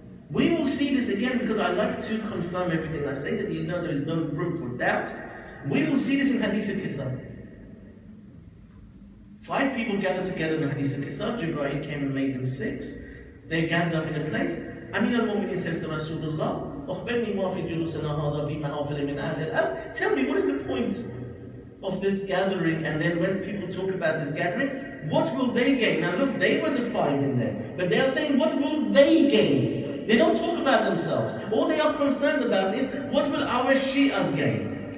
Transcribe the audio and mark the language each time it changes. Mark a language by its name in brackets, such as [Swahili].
[English] We will see this again because I like to confirm everything I say, that you know there is no room for doubt. We will see this in Hadith al-Qissa. Five people gathered together in the Hadith al-Qissa. Jibreel came and made them six. They gathered up in a place. Amin al-Mu'minin says to Rasulullah, [Arabic] أخبرني ما في جلوسنا هذا في منافل من أهل الأرض. [English] Tell me, what is the point of this gathering? And then when people talk about this gathering, what will they gain? Now look, they were the five in there, but they are saying, what will they gain? They don't talk about themselves. All they are concerned about is, what will our Shias gain?